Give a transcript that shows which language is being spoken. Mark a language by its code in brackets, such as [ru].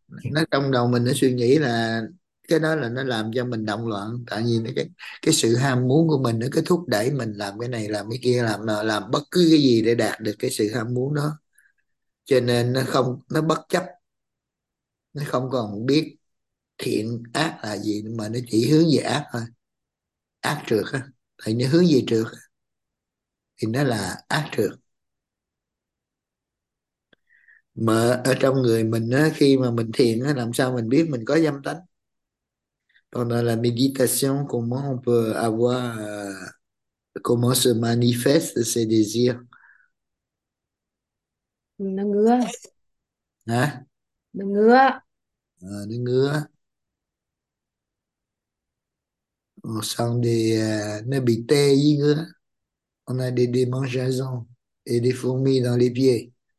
[vi] nó trong đầu mình nó suy nghĩ là cái đó là nó làm cho mình động loạn, tại vì cái sự ham muốn của mình nó cứ thúc đẩy mình làm cái này làm cái kia, làm bất cứ cái gì để đạt được cái sự ham muốn đó, cho nên nó không, nó bất chấp, nó không còn biết thiện ác là gì mà nó chỉ hướng về ác thôi, ác trược á, thì nó hướng về trược thì nó là ác trược. Mà ở trong người mình á, khi mà mình thiền á, làm sao mình biết mình có dâm tánh? [fr] Pendant la méditation, comment on peut avoir, comment se manifeste ces désirs? [vi] Nó ngứa, Hả? nó ngứa. Nó ngứa. Xong thì nó bị tê với ngứa. [fr] On a des démangeaisons et des fourmis dans les pieds.